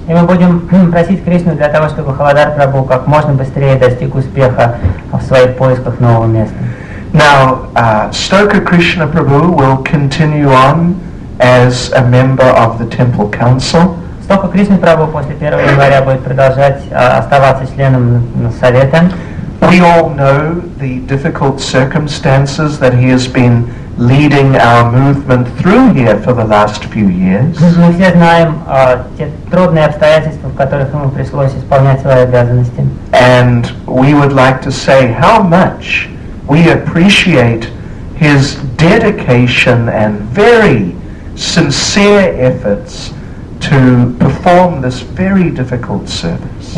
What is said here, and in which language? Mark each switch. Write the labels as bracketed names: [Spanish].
[Russian] И мы будем просить Кришну для того, чтобы Халадар Прабху как можно быстрее достиг успеха в своих поисках нового места. [English] Now, Stoka Krishna Prabhu will continue on as a member of the Temple Council. [Russian] Стока Кришна Прабху после 1 января будет продолжать оставаться членом совета. [English] We all know the difficult circumstances that he has been leading our movement through here for the last few years. [Russian] Мы все знаем те трудные обстоятельства, в которых ему пришлось исполнять свои обязанности. [English] And we would like to say how much we appreciate his dedication and very sincere efforts to perform this very difficult service.